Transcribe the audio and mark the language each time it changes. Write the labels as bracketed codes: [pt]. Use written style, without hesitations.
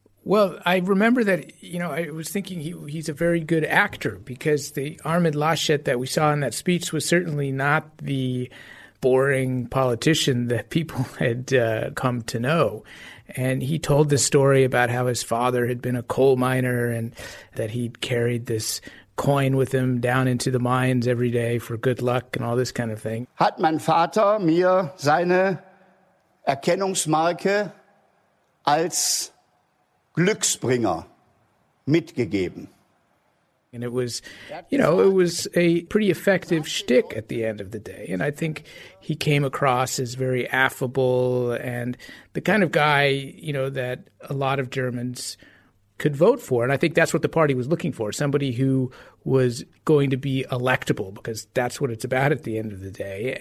[en] Well, I remember that, you know, I was thinking he's a very good actor, because the Armin Laschet that we saw in that speech was certainly not the boring politician that people had come to know. And he told this story about how his father had been a coal miner and that he'd carried this coin with him down into the mines every day for good luck and all this kind of thing. [de] Hat mein Vater mir seine Erkennungsmarke als Glücksbringer mitgegeben. [en] And it was, you know, it was a pretty effective shtick at the end of the day. And I think he came across as very affable and the kind of guy, you know, that a lot of Germans could vote for. And I think that's what the party was looking for, somebody who was going to be electable, because that's what it's about at the end of the day.